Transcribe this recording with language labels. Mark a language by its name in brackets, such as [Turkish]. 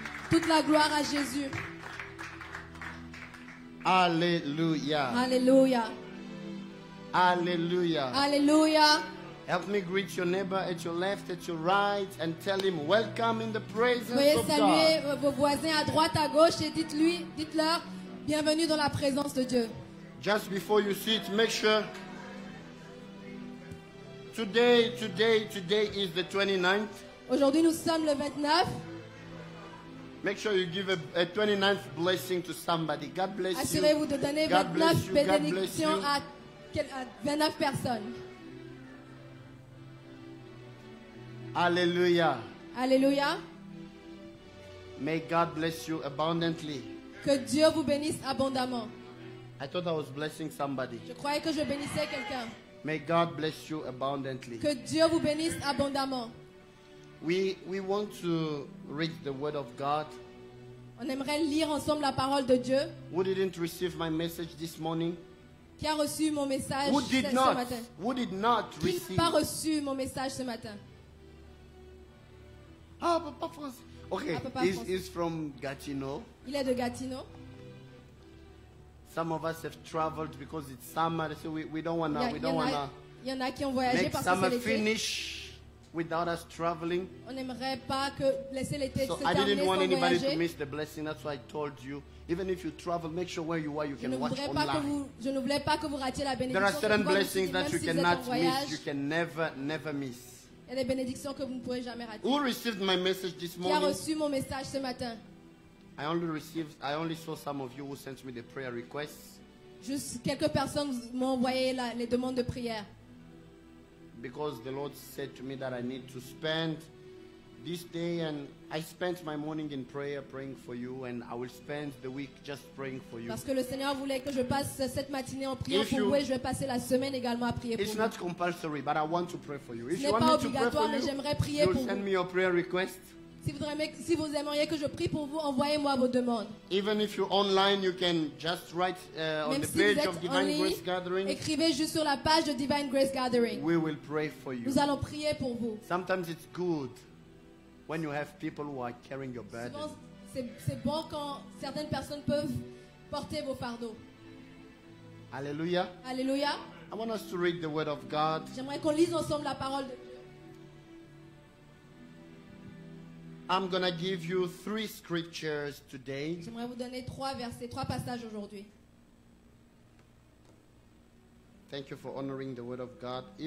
[French] Toute la gloire à Jésus. Alléluia. Alléluia. Alléluia. Alléluia. [English] Help me greet your neighbor at your left, at your right, and tell him, welcome in the presence of God. [French] Veuillez saluer vos voisins à droite, à gauche, et dites-lui, dites-leur, bienvenue dans la présence de Dieu. [English] Just before you sit, make sure. Today is the 29th. [French] Aujourd'hui, nous sommes le 29. [English] Make sure you give a 29th blessing to somebody. God bless you. [French] Assurez-vous de donner 29 bénédictions à 29 personnes. Alléluia. Alléluia. [English] May God bless you abundantly. [French] Que Dieu vous bénisse abondamment. [English] I thought I was blessing somebody. [French] Je croyais que je bénissais quelqu'un. [English] May God bless you abundantly. [French] Que Dieu vous bénisse abondamment. [English] We want to read the word of God. [French] On aimerait lire ensemble la parole de Dieu. [English] Who didn't receive my message this morning? [French] Qui a reçu mon message ce matin? [English] Who did not receive? [French] Qui n'a pas reçu mon message ce matin? [English] Ah, Papa France. Okay, he's from Gatineau. [French] Il est de Gatineau. [English] Some of us have traveled because it's summer, so we don't wanna. [French] Il y en a qui ont voyagé parce que c'est l'été. Make summer finish without us traveling. On n'aimerait pas que laisser l'été se terminer sans voyager. [English] So I didn't want anybody to miss the blessing. That's why I told you, even if you travel, make sure where you are, you can watch online. [French] Je ne voulais pas que vous ratiez la bénédiction. [English] There are certain blessings that you cannot miss. You can never miss. [French] Il y a des bénédictions que vous ne pourrez jamais rater. [English] Who received my message this morning? [French] Qui a reçu mon message ce matin? [English] I only saw some of you who sent me the prayer requests. [French] Juste quelques personnes m'ont envoyé les demandes de prière. [English] Because the Lord said to me that I need to spend this day, and I spent my morning in prayer praying for you, and I will spend the week just praying for you. [French] Parce que le Seigneur voulait que je passe cette matinée en priant pour vous, et je vais passer la semaine également à prier pour vous. [English] It's not compulsory, but I want to pray for you. [French] Ce n'est pas obligatoire, mais j'aimerais prier pour vous. [English] You'll send me your prayer request. [French] Si vous aimeriez que je prie pour vous, envoyez-moi vos demandes. [English] Even if you're online, you can just write on [French] Même [English] the [French] si [English] page of Divine Grace Gathering. [French] Écrivez juste sur la page de Divine Grace Gathering. [English] We will pray for you. [French] Nous allons prier pour vous. [English] Sometimes it's good when you have people who are carrying your burden. [French] C'est bon quand certaines personnes peuvent porter vos fardeaux. Alléluia. Alléluia. [English] I want us to read the word of God. [French] J'aimerais qu'on lise ensemble la parole de [English] I'm going to give you three scriptures today. [French] J'aimerais vous donner trois versets, trois passages aujourd'hui. [English] Thank you for honoring the word of God.